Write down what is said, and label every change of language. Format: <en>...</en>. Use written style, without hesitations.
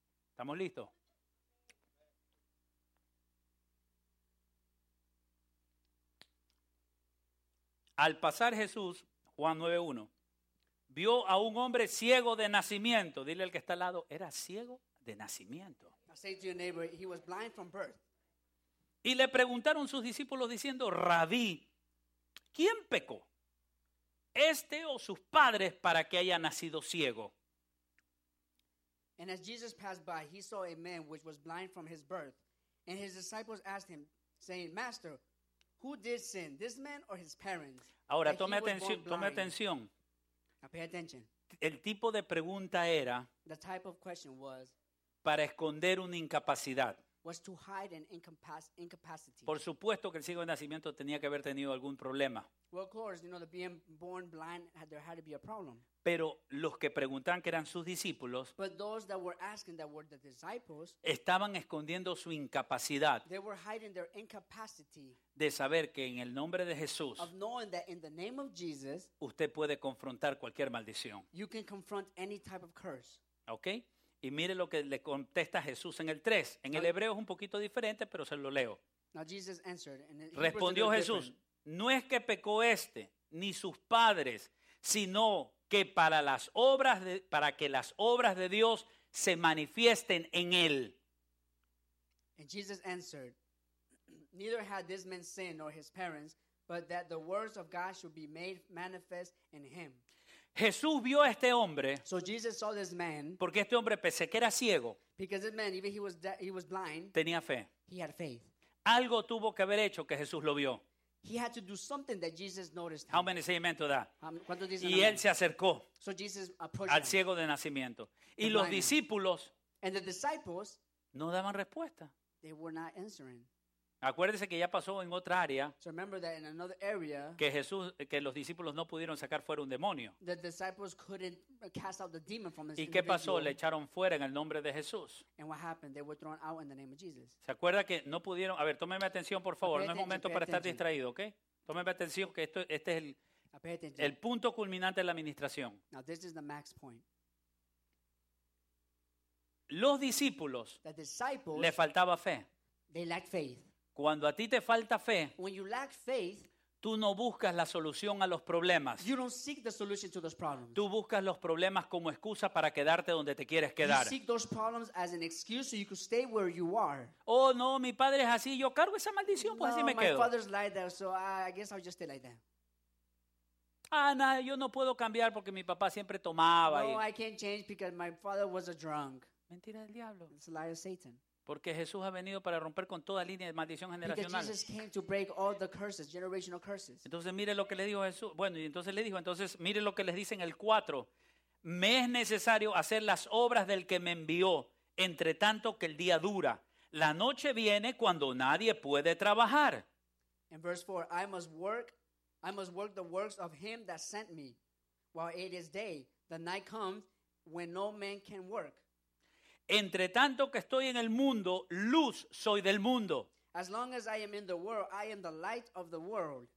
<es>¿Estamos listos? Al pasar Jesús, Juan 9:1, vio a un hombre ciego de nacimiento. Dile al que está al lado, era ciego de nacimiento.</es> <en>I say to your neighbor, he was blind from birth.</en> <es>Y le preguntaron sus discípulos diciendo, Rabí, ¿quién pecó? ¿Este o sus padres para que haya nacido ciego?</es> <en>And as Jesus passed by, he saw a man which was blind from his birth. And his disciples asked him, saying, Master, who did sin, this man or his parents?</en> <es>Ahora, tome atención.</es> <en>Now pay attention.</en> <es>El tipo de pregunta era,</es> <en>the type of question was,</en> <es>para esconder una incapacidad.</es> <en>Was to hide an incapacity.</en> <es>Por supuesto que el ciego de nacimiento tenía que haber tenido algún problema.</es> <en>Well, of course, you know, the being born blind, there had to be a problem.</en> <es>Pero los que preguntaban, que eran sus discípulos,</es> <en>but those that were asking, that were the disciples,</en> <es>estaban escondiendo su incapacidad.</es> <en>They were hiding their incapacity.</en> <es>De saber que en el nombre de Jesús,</es> <en>of knowing that in the name of Jesus,</en> <es>usted puede confrontar cualquier maldición.</es> <en>You can confront any type of curse.</en> <es>Okay? Y mire lo que le contesta Jesús en el 3. En el hebreo es un poquito diferente, pero se lo leo.</es> <en>Now Jesus answered, and</en> <es>respondió Jesús,</es> <en>different.</en> <es>No es que pecó este, ni sus padres, sino que para que las obras de Dios se manifiesten en él.</es> <en>And Jesus answered, neither had this man sinned nor his parents, but that the words of God should be made manifest in him.</en> <es>Jesús vio a este hombre,</es> <en>so Jesus saw this man,</en> <es>porque este hombre pensé que era ciego.</es> <en>Because this man, even he was blind,</en> <es>tenía fe.</es> <en>He had faith.</en> <es>Algo tuvo que haber hecho que Jesús lo vio.</es> <en>He had to do something that Jesus noticed. How many say amen to that?</en> <es>¿Cuántos dicen y él amen? Se acercó,</es> <en>so Jesus approached</en> <es>al ciego de nacimiento. Y los discípulos,</es> <en>and the disciples,</en> <es>no daban respuesta.</es> <en>They were not answering.</en> <es>Acuérdese que ya pasó en otra área,</es> <en>so remember that in another area,</en> <es>que los discípulos no pudieron sacar fuera un demonio.</es> <en>The disciples couldn't cast out the demon from this.</en> <es>¿Y qué pasó? Le echaron fuera en el nombre de Jesús.</es> <en>And what happened? They were thrown out in the name of Jesus.</en> <es>¿Se acuerda que no pudieron? A ver, tómeme atención, por favor. No es momento para estar distraído, ¿ok? Tómeme atención, que este es el punto culminante de la administración.</es> <en>Now this is the max point.</en> <es>Los discípulos,</es> <en>the disciples,</en> <es>le faltaba fe.</es> <en>They lacked faith.</en> <es>Cuando a ti te falta fe,</es> <en>when you lack faith,</en> <es>tú no buscas la solución a los problemas.</es> <en>You don't seek the solution to those problems.</en> <es>Tú buscas los problemas como excusa para quedarte donde te quieres quedar.</es> <en>You seek those problems as an excuse so you could stay where you are.</en> <es>Oh, no, mi padre es así, yo cargo esa maldición, pues no, así me</es> <en>my</en> <es>quedo.</es> <en>My father's like that, so I guess I'll just stay like that.</en> <es>Ah, no, yo no puedo cambiar porque mi papá siempre tomaba. No, y</es> <en>I can't change because my father was a drunk.</en> <es>Mentira del diablo.</es> <en>It's a lie of Satan.</en> <es>Porque Jesús ha venido para romper con toda línea de maldición generacional.</es> <en>Because Jesus came to break all the curses, generational curses.</en> <es>Entonces mire lo que le dijo Jesús. Bueno, y entonces le dijo, entonces mire lo que les dice en el 4. Me es necesario hacer las obras del que me envió, entre tanto que el día dura. La noche viene cuando nadie puede trabajar.</es> <en>In verse 4, I must work the works of him that sent me. While it is day, the night comes when no man can work.</en> <es>Entre tanto que estoy en el mundo, luz soy del mundo.</es> <en>As long as I am in the world, I am the light of the world.</en>